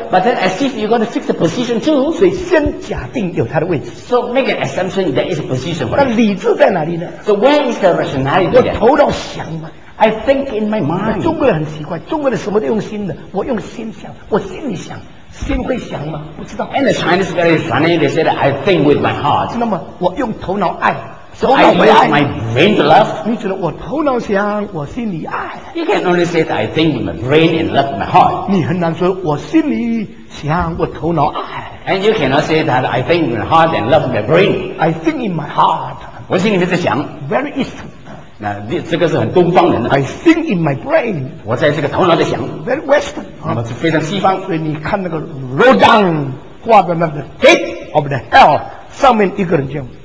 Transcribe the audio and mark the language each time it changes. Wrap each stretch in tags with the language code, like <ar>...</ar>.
<en>But then as if you're going to fix the position too.</en> <zh>所以先假定有它的位置。</zh> <en>So make an assumption there is a position for</en> <zh>it. 那理智在哪里呢？</zh> <en>So where is the rationality</en> <zh>there? 我头脑想嘛。</zh> <en>I think in my mind.</en> <zh>中国人很奇怪，中国人什么都用心的，我用心想，我心里想。心会想吗？不知道。</zh> <en>And the Chinese very funny, they say that I think with my heart.</en> <zh>那么我用头脑爱。</zh> <en>So I use my brain to love.</en> <zh>你觉得我头脑想，我心里爱。</zh> <en>You can only say that I think with my brain and love my heart.</en> <zh>你很难说我心里想，我头脑爱。</zh> <en>And you cannot say that I think with my heart and love my brain. I think in my heart.</en> <zh>我心里面在想。</zh> <en>Very Eastern.</en> <zh>那这个是很东方人的。</zh> <en>I think in my brain.</en> <zh>我在这个头脑在想。</zh> <en>Very Western.</en> <zh>那么是非常西方。所以你看那个 Rodin 画的那个 Gate of the Hell 上面一个人叫。</zh>